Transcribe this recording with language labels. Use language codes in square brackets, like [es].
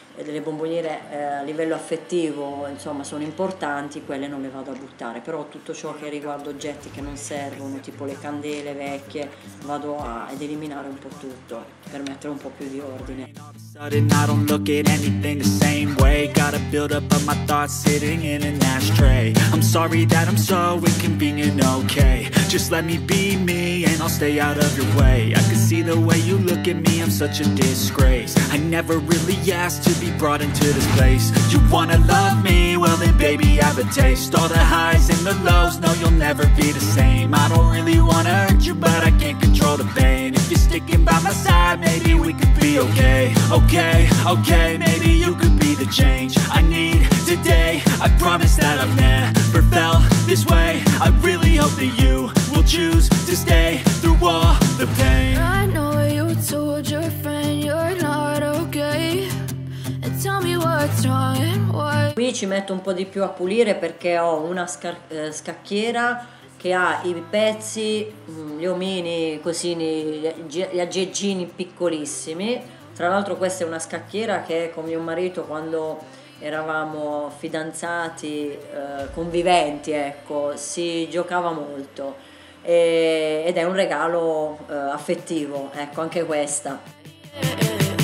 [it] delle bomboniere a livello affettivo, insomma, sono importanti, quelle non le vado a buttare, però tutto ciò che riguarda oggetti che non servono, tipo le candele vecchie, vado a, ad eliminare un po' tutto per mettere un po' più di ordine. [en] Just let me be me and I'll stay out of your way. I can see the way you look at me, I'm such a disgrace. I never really asked to be brought into this place. You wanna love me? Well then baby I have a taste. All the highs and the lows, no you'll never be the same. I don't really wanna hurt you but I can't control the pain. If you're sticking by my side, maybe we could be okay. Okay, okay, maybe you could be the change I need today. I promise that I've never felt this way. I really hope that you will choose to stay through all the pain. I know you told your friend you're not okay. And tell me what's wrong and why. [it] Qui ci metto un po' di più a pulire perché ho una scacchiera che ha i pezzi, gli omini, così, gli aggeggini piccolissimi. Tra l'altro questa è una scacchiera che con mio marito quando eravamo fidanzati, conviventi, ecco, si giocava molto ed è un regalo affettivo, ecco, anche questa.